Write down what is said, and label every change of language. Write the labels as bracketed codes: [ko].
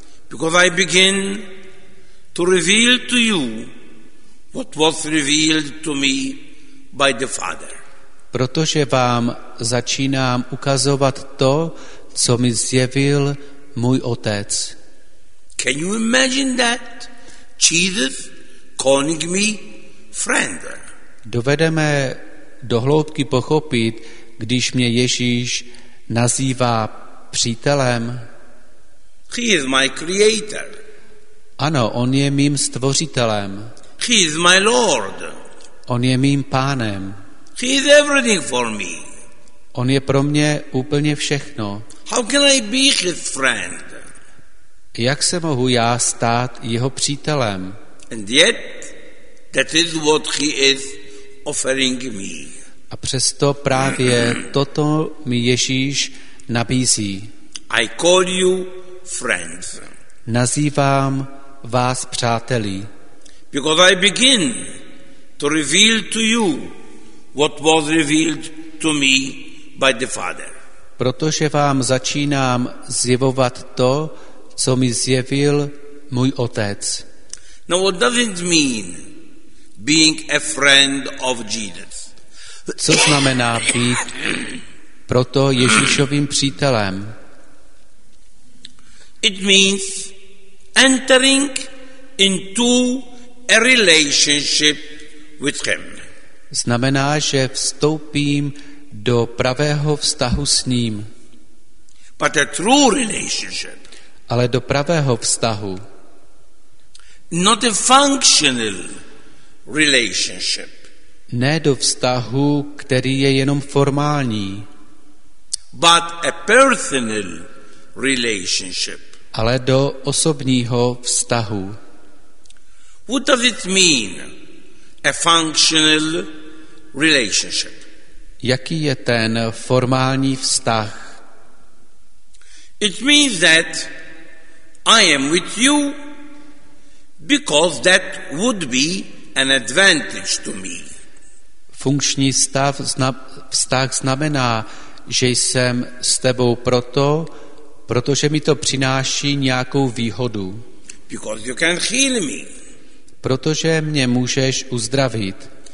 [en] Because I begin to reveal to you what was revealed to me by the Father. [cs] Protože vám začínám ukazovat to, co mi zjevil můj otec. [en] Can you imagine that? Jesus calling me friend. [cs] Dovedeme do hloubky pochopit, když mě Ježíš nazývá přítelem. [en] He is my creator. [cs] Ano, on je mým stvořitelem. [en] He is my Lord. [cs] On je mým pánem. [en] He is everything for me. [cs] On je pro mě úplně všechno. [en] How can I be his friend? [cs] Jak se mohu já stát jeho přítelem? [en] And yet, that is what he is offering me. [cs] A přesto právě toto mi Ježíš nabízí. [en] I call you friends. [cs] Nazývám vás přáteli. [en] Because I begin to reveal to you what was revealed to me by the Father. [cs] Protože vám začínám zjevovat to, co mi zjevil můj otec. [en] Now what does it mean being a friend of Jesus? [cs] Co znamená být proto Ježíšovým přítelem? [en] It means entering into a relationship with him. [cs] Znamená, že vstoupím do pravého vztahu s ním. [en] But a true relationship. [cs] Ale do pravého vztahu. [en] Not a functional relationship. [cs] Ne do vztahu, který je jenom formální. [en] But a personal relationship. [cs] Ale do osobního vztahu. [en] What does it mean, a functional relationship? [cs] Jaký je ten formální vztah? [en] It means that I am with you because that would be an advantage to me. [cs] Funkční stav vztah znamená, že jsem s tebou proto, protože mi to přináší nějakou výhodu. [en] Because you can heal me. [cs] Protože mě můžeš uzdravit.